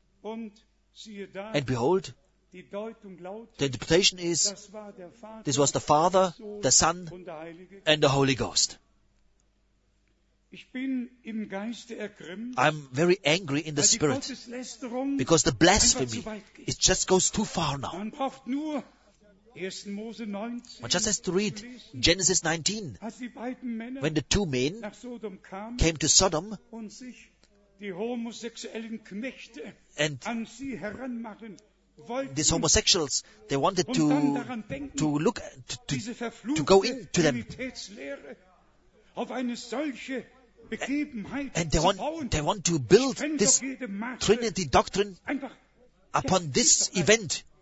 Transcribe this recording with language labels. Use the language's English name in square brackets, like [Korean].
[English] And behold, the interpretation is, this was the Father, the Son, and the Holy Ghost. [German] Ich bin im Geiste ergrimmt, [English] I'm very angry in the spirit because the blasphemy, it just goes too far now. [German] Man braucht nur 1. Mose 19, [English] one just has to read Genesis 19 [German] als die beiden Männer [English] when the two men [German] nach Sodom kamen, [English] came to Sodom [German] und sich die homosexuellen Knechte [English] and [German] an sie heranmachen. [English] These homosexuals, they wanted to look to go into them, and they want to build this Trinity doctrine upon this event.